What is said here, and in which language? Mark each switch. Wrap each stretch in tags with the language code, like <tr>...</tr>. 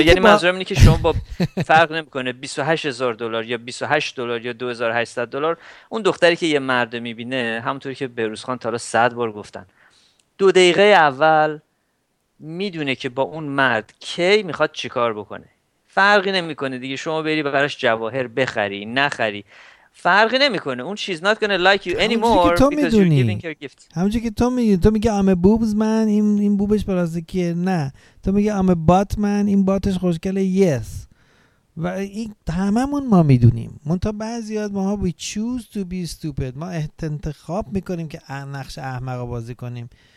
<fa>یعنی منظورم اینه که شما با فرق نمیکنه 28,000 دلار یا 28 دلار یا 2,800 دلار اون دختری که یه مرد میبینه همونطوری که بهروز خان تا حالا 100 بار گفتن دو دقیقه اول میدونه که با اون مرد کی میخواد چیکار بکنه. فرقی نمیکنه دیگه شما بری براش جواهر بخری نخری فرقی نمیکنه.</fa> <en>اون she's not gonna like you anymore because you're giving her gift.</en> <fa>همونجوری که تو میدونی تو میگی</fa> <en>I'm a boobs man</en> <fa>این بوبش پلاستیکیه، نه تو میگی</fa> <en>I'm a butt man</en> <fa>این باتش خوشگله</fa> <en>yes.</en> <fa>و این هممون ما میدونیم منتها بعضی از ماها</fa> <en>we choose to be stupid.</en> <fa>ما انتخاب میکنیم که نقش احمق بازی کنیم.</fa>